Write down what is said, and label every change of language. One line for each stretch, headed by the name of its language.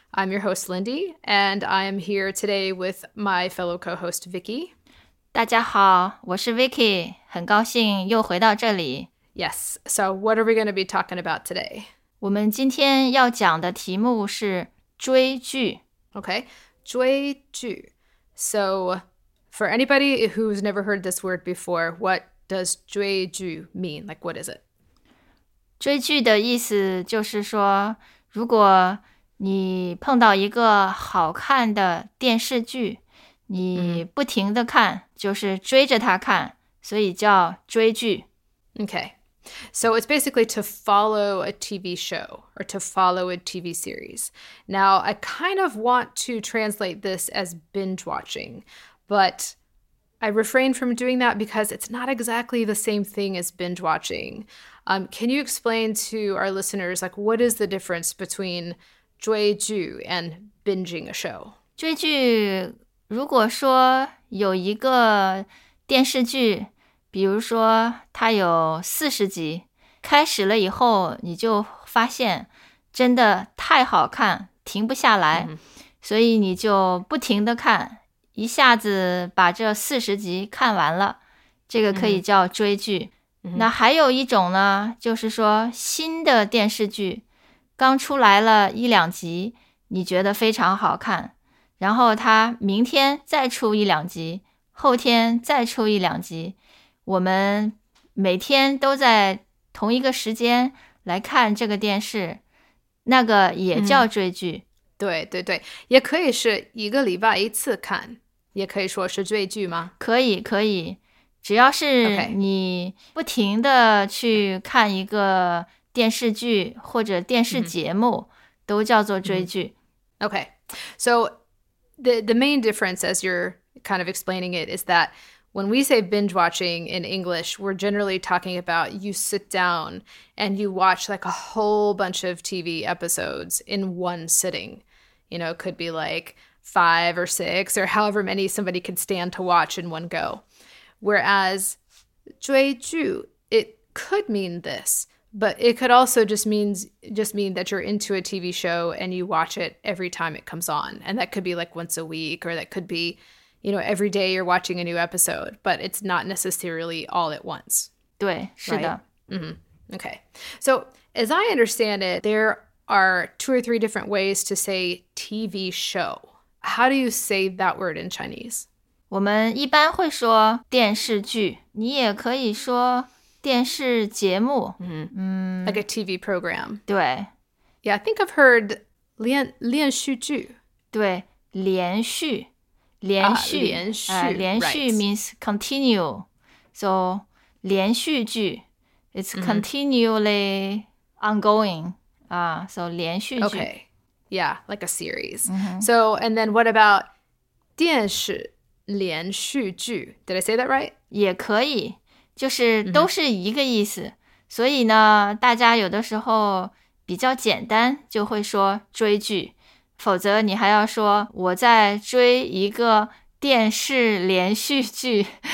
English: I'm your host, Lindy, and I am here today with my fellow co-host, Vicky.
Chinese: 大家好，我是 Vicky, 很高兴又回到这里。
English: Yes, so what are we going to be talking about today?
Chinese: 我们今天要讲的题目是追剧。
English: Okay, 追剧。 So, for anybody who's never heard this word before, what does 追剧 mean? Like, what is it?
Chinese: 追剧的意思就是说，如果你碰到一个好看的电视剧，你不停地看，就是追着它看，所以叫追剧。
English: Okay, so it's basically to follow a TV show or to follow a TV series. Now, I kind of want to translate this as binge watching, but I refrain from doing that because it's not exactly the same thing as binge watching. Can you explain to our listeners, like, what is the difference between 追剧 and binging a show?
Chinese: 追剧如果说有一个电视剧，比如说它有四十集，开始了以后你就发现真的太好看，停不下来，所以你就不停地看，一下子把这四十集看完了，这个可以叫追剧。那还有一种呢，就是说新的电视剧刚出来了一两集，你觉得非常好看，然后它明天再出一两集，后天再出一两集，我们每天都在同一个时间来看这个电视，那个也叫追剧。对对对，也可以是一个礼拜一次看，也可以说是追剧吗？可以可以。只要是你不停地去看一个电视剧或者电视节目、都叫做追剧。
English: Okay, so the main difference as you're kind of explaining it is that when we say binge watching in English, we're generally talking about you sit down and you watch like a whole bunch of TV episodes in one sitting. You know, it could be like 5 or 6 or however many somebody could stand to watch in one go. Whereas 追剧, it could mean this, but it could also just mean that you're into a TV show and you watch it every time it comes on. And that could be like once a week, or that could be, you know, every day you're watching a new episode, but it's not necessarily all at once.
Chinese: 对，是的。
English: Okay. So as I understand it, there are 2 or 3 different ways to say TV show. How do you say that word in Chinese?
Chinese: 我们一般会说电视剧，你也可以说电视节目。
English: Like a TV program.
Chinese: 对。
English: Yeah, I think I've heard 连续剧。
Chinese: 对，连续。连续。连续。
English: 连续 means continue. So, 连续剧。 It's continually ongoing. So, 连续剧。 Okay. Yeah, like a series. So, and then what about 电视连续剧 Did I say that right?
Chinese: 也可以，就是都是一个意思。所以呢，大家有的时候比较简单，就会说追剧。否则你还要说我在追一个电视连续剧。